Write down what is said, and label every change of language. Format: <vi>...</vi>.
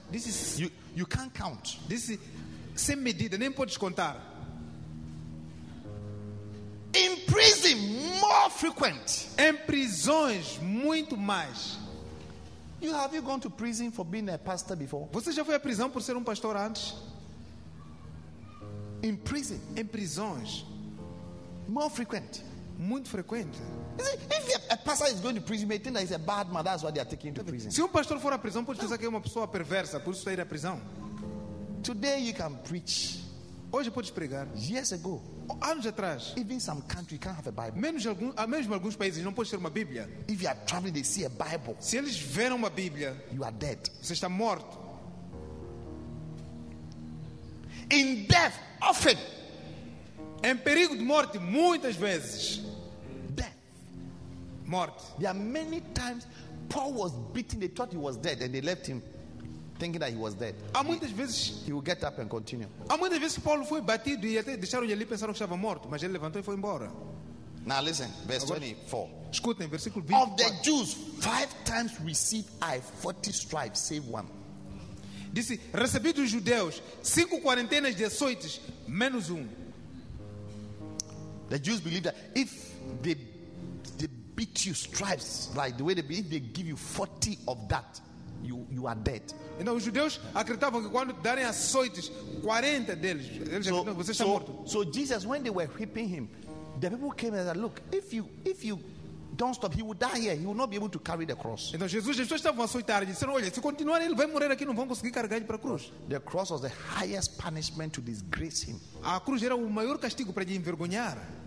<en>This is you can't count. This is</en> <pt>sem medida, nem podes contar.</pt> <en>In prison more frequent.</en> <pt>Em prisões muito mais.</pt> <en>Have you gone to prison for being a pastor before?</en> <pt>Você já foi à prisão por ser pastor antes?</pt> <en>In prison,</en> <pt>em prisões</pt> <en>more frequent.</en> <pt>Muito frequente.</pt> <en>If a pastor is going to prison, you may think that he's a bad man. That's why they are taking him to prison.</en> <pt>Se pastor for a prisão, pode dizer que é uma pessoa perversa, por isso está aí na prisão.</pt> <en>Today you can preach.</en> <pt>Hoje podes pregar.</pt> <en>Years ago,</en> <pt>anos atrás.</pt> <en>Even some country can't have a Bible.</en> <pt>Mesmo alguns países não podem ter uma Bíblia.</pt> <en>If you are traveling, they see a Bible.</en> <pt>Se eles verem uma Bíblia,</pt> <en>you are dead.</en> <pt>Você está morto.</pt> <en>In death, often.</en> <pt>Em perigo de morte, muitas vezes. Morte.</pt> <en>There are many times Paul was beaten. They thought he was dead, and they left him, thinking that he was dead.</en> <pt>Há muitas vezes</pt> <en>he will get up and continue.</en> <pt>Há muitas vezes Paulo foi batido e até deixaram ele pensar que estava morto, mas ele levantou e foi embora.</pt> <en>Now listen, verse 24.</en> <pt>Escutem, versículo 24.</pt> <en>Of the Jews, 5 times received I 40 stripes, save one.</en> <pt>Disse, recebi dos judeus 5 quarentenas de açoites, menos um.</pt> <en>The Jews believe that if they beat you stripes like the way they believe, they give you 40 of that, you are dead.</en> <pt>Então os judeus acreditavam que quando darem açoites 40 deles, você está morto.</pt> <en>So Jesus, when they were whipping him, the people came and said, look, if you don't stop, he will die here, he will not be able to carry the cross.</en> <pt>Então Jesus, as pessoas estavam a açoitar e disseram, olha, se continuar ele vai morrer aqui, não vão conseguir carregar ele para a cruz.</pt> <en>The cross was the highest punishment to disgrace him.</en> <pt>A cruz era o maior castigo para lhe envergonhar.</pt>